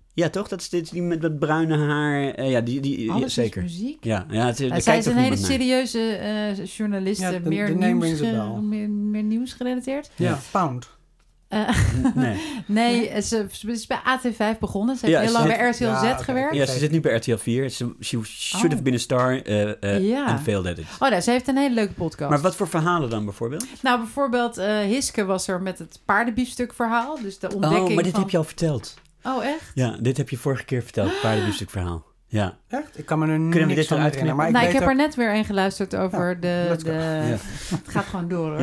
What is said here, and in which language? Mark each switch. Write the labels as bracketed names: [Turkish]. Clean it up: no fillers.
[Dutch] Ja, toch? Dat is dit die met bruine haar. Ja, die alles ja, zeker. Is muziek. Ja, het is, zij is een hele serieuze journalist. Ja, meer nieuws gerelateerd. Ja, Pound. Nee, ze is bij AT5 begonnen. Ze heeft heel lang bij RTL Z gewerkt. Ja, ze zit nu bij RTL 4. [English] She should have been a star and failed at it. [Dutch] Oh, nee, ze heeft een hele leuke podcast. Maar wat voor verhalen dan bijvoorbeeld? Nou, bijvoorbeeld Hiske was er met het paardenbiefstuk verhaal. Dus de ontdekking maar dit van... heb je al verteld. Oh, echt? Ja, dit heb je vorige keer verteld, het paardenbiefstuk verhaal. Ja. Echt? Ik kan me er niet van herinneren. Ik heb er net weer een geluisterd over het gaat gewoon door, hoor.